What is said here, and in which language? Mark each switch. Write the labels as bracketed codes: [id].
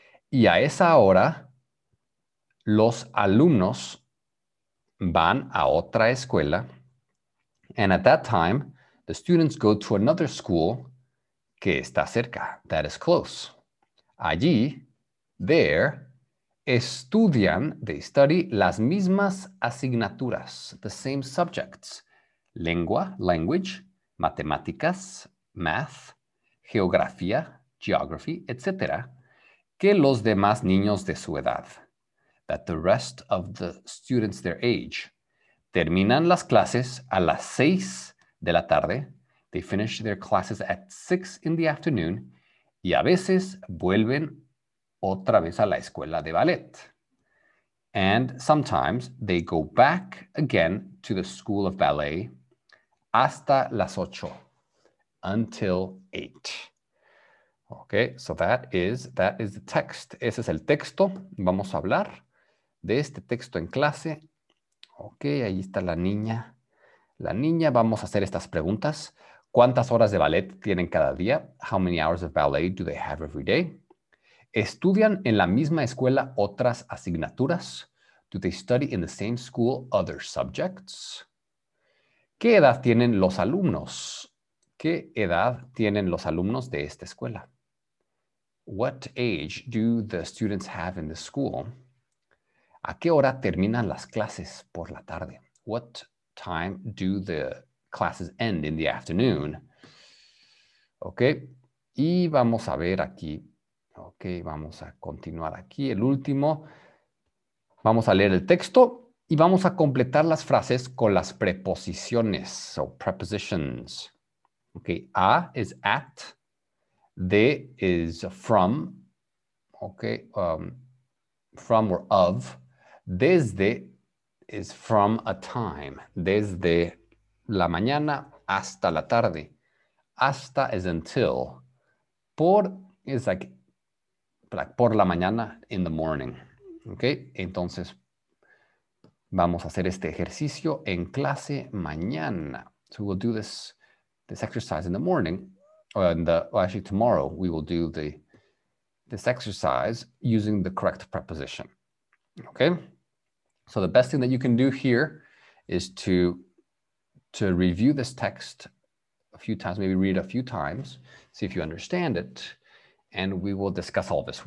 [es] Y a esa hora, los alumnos van a otra escuela. [en] And at that time, the students go to another school [es] que está cerca, [en] that is close. [es] Allí, [en] there, [es] estudian, [en] they study, [es] las mismas asignaturas, [en] the same subjects. [es] Lengua, language, matemáticas, math, geografía, geography, etc., que los demás niños de su edad. [en] that the rest of the students their age. [es] Terminan las clases a las 6 de la tarde. [en] They finish their classes at 6 in the afternoon. [es] Y a veces vuelven otra vez a la escuela de ballet. [en] And sometimes they go back again to the school of ballet [es] hasta las 8. [en] Until 8. Okay, so that is the text. [es] Ese es el texto. Vamos a hablar de este texto en clase. Okay, ahí está la niña. La niña, vamos a hacer estas preguntas. ¿Cuántas horas de ballet tienen cada día? [en] How many hours of ballet do they have every day? [es] ¿Estudian en la misma escuela otras asignaturas? [en] Do they study in the same school other subjects? [es] ¿Qué edad tienen los alumnos? ¿Qué edad tienen los alumnos de esta escuela? [en] What age do the students have in the school? [es] ¿A qué hora terminan las clases por la tarde? [en] What time do the classes end in the afternoon? [es] Okay, y vamos a ver aquí. Okay, vamos a continuar aquí. El último. Vamos a leer el texto y vamos a completar las frases con las preposiciones. [en] So, prepositions. Okay, a is at. De is from. Okay, from or of. [es] Desde [en] is from a time. [es] Desde la mañana hasta la tarde. [en] Hasta is until. Por is like [es] por la mañana, [en] in the morning. [es] Okay, entonces vamos a hacer este ejercicio en clase mañana. [en] So we'll do this exercise in the morning. Tomorrow we will do this exercise using the correct preposition. Okay, so the best thing that you can do here is to review this text a few times, maybe read a few times, see if you understand it, and we will discuss all this.